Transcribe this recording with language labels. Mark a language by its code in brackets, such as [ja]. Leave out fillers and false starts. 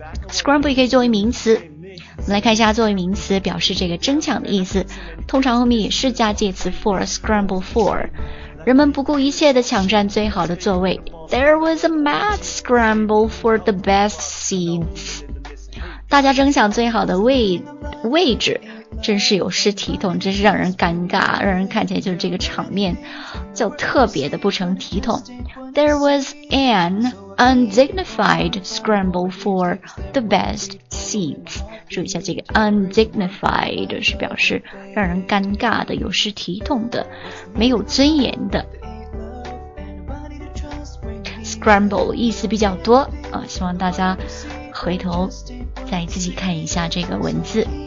[zh] Scramble 可以作为名词，我们来看一下作为名词表示这个争抢的意思，通常后面也是加介词 for， scramble for， 人们不顾一切的抢占最好的座位。 [en] There was a mad scramble for the best seats， [zh] 大家争抢最好的位置。真是有失体统，真是让人尴尬，让人看起来就是这个场面就特别的不成体统。 [en] There was an undignified scramble for the best seats. [zh] 注意一下这个 undignified 是表示让人尴尬的，有失体统的，没有尊严的。 Scramble 意思比较多，希望大家回头再自己看一下这个文字。